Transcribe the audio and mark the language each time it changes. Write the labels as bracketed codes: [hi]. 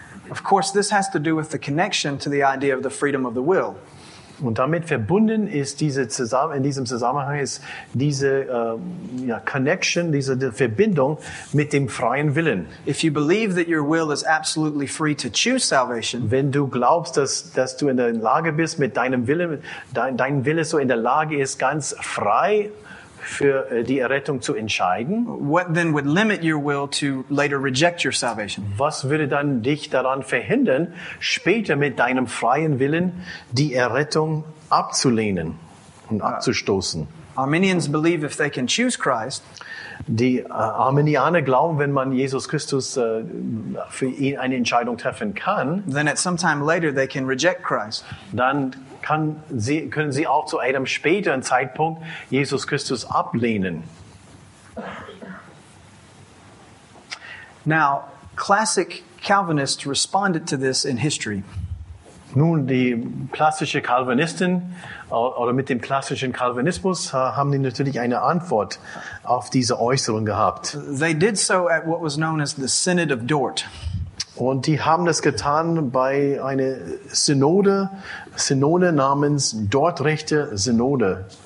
[en] Of course, this has to do with the connection to the idea of the freedom of the will. [de] Und damit verbunden ist diese Verbindung mit dem freien Willen. [en] If you believe that your will is absolutely free to choose salvation, [de] wenn du glaubst, dass du in der Lage bist, mit deinem Willen, dein Wille so in der Lage ist, ganz frei für die Errettung zu entscheiden? [en] What then would limit your will to later reject your salvation? [de] Was würde dann dich daran verhindern, später mit deinem freien Willen die Errettung abzulehnen und abzustoßen? [en] Arminians believe if they can choose Christ. [de] Die Arminianer glauben, wenn man Jesus Christus für ihn eine Entscheidung treffen kann, [en] then at some time later they can reject Christ. [de] Dann können sie auch zu einem späteren Zeitpunkt Jesus Christus ablehnen. [en] Now, classic Calvinists responded to this in history. [de] Nun, die klassische Calvinisten oder mit dem klassischen Calvinismus haben die natürlich eine Antwort auf diese Äußerung gehabt. [en] They did so at what was known as the Synod of Dort. [de] Und die haben das getan bei einer Synode namens Dortrechte Synode.